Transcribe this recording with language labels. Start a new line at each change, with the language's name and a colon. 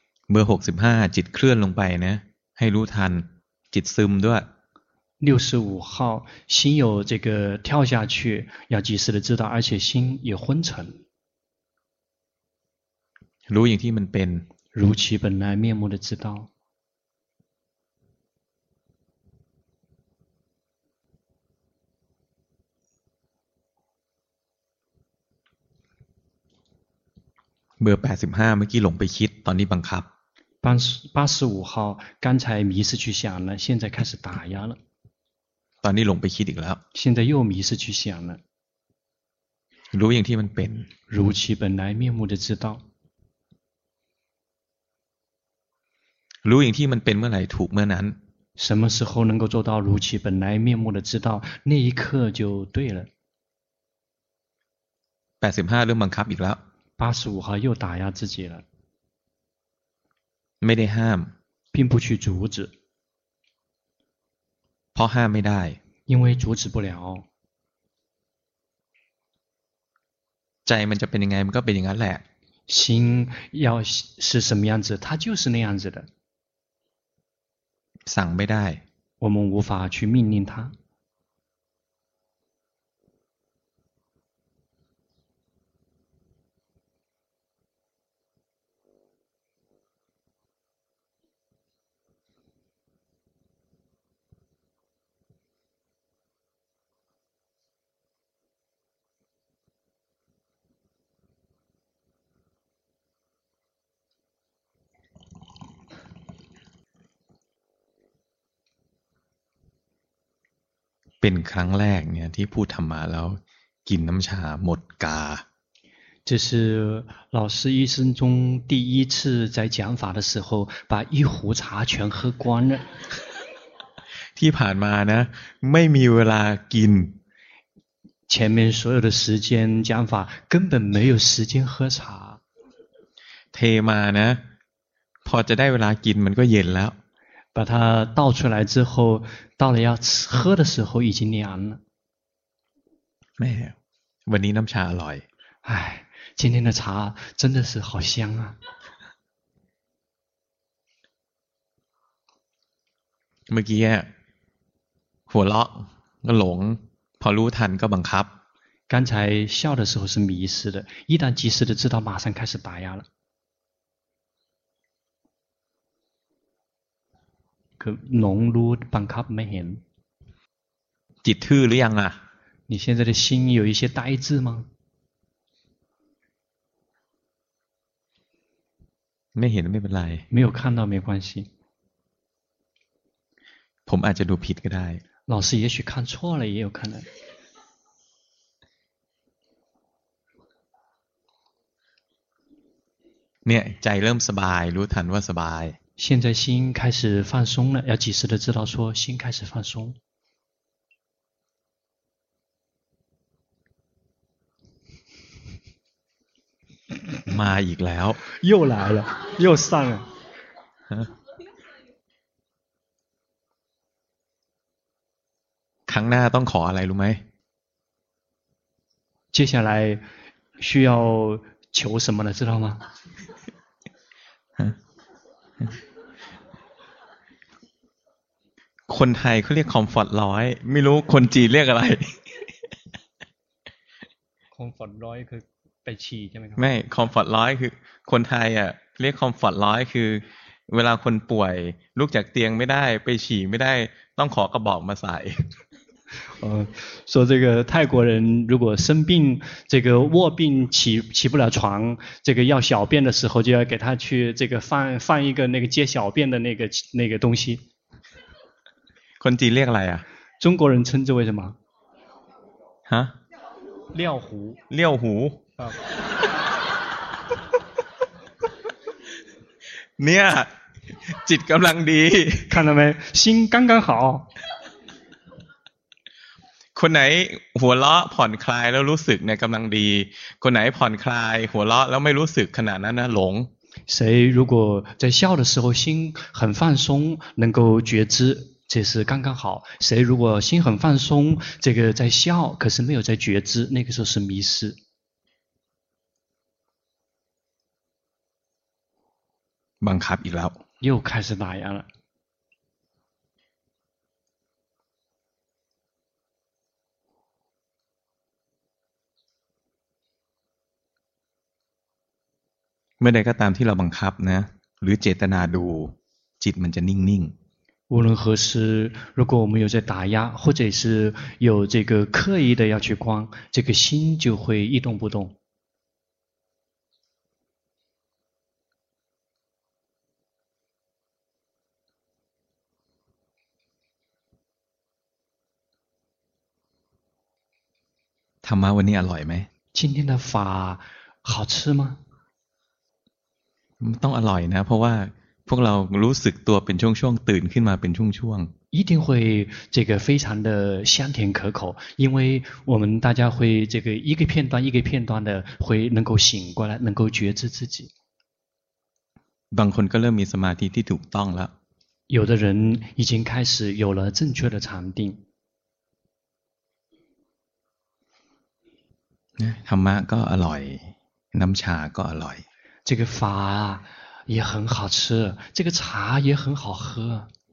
Thai: เบอร์65จิตเคลื่อนลงไปนะให้รู้ทันจิตซึมด้วย
Chinese: 65号心有这个跳下去要及时的知道而且心也昏沉
Thai: รู้อย่างที่มันเป็น
Chinese: 如其本来面目的知道
Thai: เบอร์85เมื่อกี้หลงไปคิดตอนนี้บังคับ
Chinese: 85号刚才迷失去想了现在开始打压了
Thai: ตอนนี้หลงไปคิดอีกแล้ว
Chinese: 现在又迷失去想了
Thai: รู้อย่างที่มันเป็น
Chinese: 如其本来面目的知道
Thai: รู้อย่างที่มันเป็นเมื่อไหร่ถูกเมื่อนั้น
Chinese: 什么时候能够做到如其本来面目的知道那一刻就对了
Thai: 85เริ่มบังคับอีกแล้ว
Chinese: 85号又打压自己了
Thai: ไม่ได้ห้าม
Chinese: 并不去阻止
Thai: เพราะห้ามไม่ได้
Chinese: 因为阻止不了
Thai: ใจมันจะเป็นยังไงมันก็เป็นอย่างนั้นแหละ
Chinese: 心要是什么样子它就是那样子的
Thai: สั่งไม่ได้
Chinese: 我们无法去命令它
Thai: เป็นครั้งแรกเนี่ยที่พูดธรรมะแล้วกินน้ำชาหมดกา
Chinese: 这是老师一生中第一次在讲法的时候把一壶茶全喝光了
Thai: ที่ผ่านมานะไม่มีเวลากิน
Chinese: 前面所有的时间讲法根本没有时间喝茶
Thai: เทมานะพอจะได้เวลากินมันก็เย็นแล้ว
Chinese: 把它倒出来之后到了要喝的时候已经凉了
Thai: แม่วันนี้น้ำชาอร่อย
Chinese: 唉今天的茶真的是好香啊
Thai: เมื่อกี้หัวเราะก็หลงพอรู้ทันก็บังคับ
Chinese: 刚才笑的时候是迷失的一旦及时的知道马上开始打压了
Thai: คือหลงรู้บังคับไม่เห็น จิตทื่อหรือยังอ่ะ
Chinese: 你现在的心有一些呆滞吗没看到没关系。没有看到没关系。
Thai: ผมอาจจะดูผิดก็ได้
Chinese: 老师也许看错了也有可能
Thai: เนี่ยใจเริ่มสบายรู้ทันว่าสบาย
Chinese: 现在心开始放松了要及时的知道说心开始放松
Thai: มาอีกแล้ว
Chinese: 又来了又上了
Thai: ครั้งหน้าต้องขออะไรรู้ไหม
Chinese: 接下来需要求什么呢知道吗
Thai: คนไทยเขาเรียกคอมฟอร์ตร้อยไม่รู้คนจีนเรียกอะไร คอมฟอร์ตร้อยคือไปฉี่ใช่ไหมครับไม่คอมฟอร์ตร้อยคือคนไทยอ่ะเรียกคอมฟอร์ตร้อยคือเวลาคนป่วยลุกจากเตียงไม่ได้ไปฉี่ไม่ได้ต้องขอกระบอกมาใส่
Chinese: 说这个泰国人如果生病这个卧病起不了床这个要小便的时候就要给他去这个放一个那个接小便的那个东西
Thai: คนจีนเรียกอะไรอ่ะ
Chinese: 中国人称之为什么啊尿壶
Thai: 尿壶เนี่ยจิตกำลังดี
Chinese: 看到没心刚刚好
Thai: คนไหนหัวเราะผ่อนคลายแล้วรู้สึกเนี่ยกำลังดีคนไหนผ่อนคลายหัวเราะแล้วไม่รู้สึกขนาดนั้นนะหลง
Chinese: 谁如果在笑的时候心很放松能够觉知这是刚刚好谁如果心很放松这个在笑可是没有在觉知那个时候是迷失
Thai: บังคับอีกแล้ว
Chinese: 又开始打压了
Thai: เมื่อใดก็ตามที่เราบังคับนะหรือเจตนาดูจิตมันจะนิ่งนิ่ง
Chinese: 无论何时如果我们有在打压或者是有这个刻意的要去观这个心就会一动不动
Thai: ธรรมะวันนี้อร่อยไหม
Chinese: 今天的法好吃吗
Thai: ต้องอร่อยนะเพราะว่าพวกเรารู้สึกตัวเป็นช่วงๆตื่นขึ้นมาเป็นช่วง
Chinese: ๆ一定会这个非常的香甜可口因为我们大家会这个一个片段一个片段的会能够醒过来能够觉知自己
Thai: บางคนก็เริ่มมีสมาธิที่ถูกต้องแล้ว
Chinese: 有的人已经开始有了正确的禅定
Thai: ธรรมะก็อร่อยน้ำชาก็อร่อย
Chinese: 这个法也很好吃这个茶也很好喝